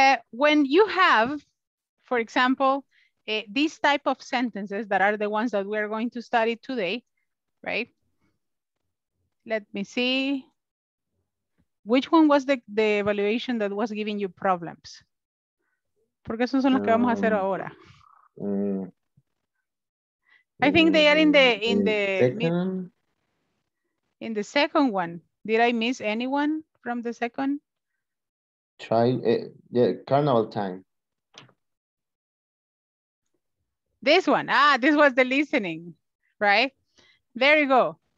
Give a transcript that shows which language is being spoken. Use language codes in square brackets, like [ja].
[en] When you have, for example, these type of sentences that are the ones that we're going to study today, right? Let me see, which one was the evaluation that was giving you problems? [es] Porque esos son los que vamos a hacer ahora. [en] I think they are in the second one. Did I miss anyone from the second? Carnival time. This one, this was the listening, right? There you go.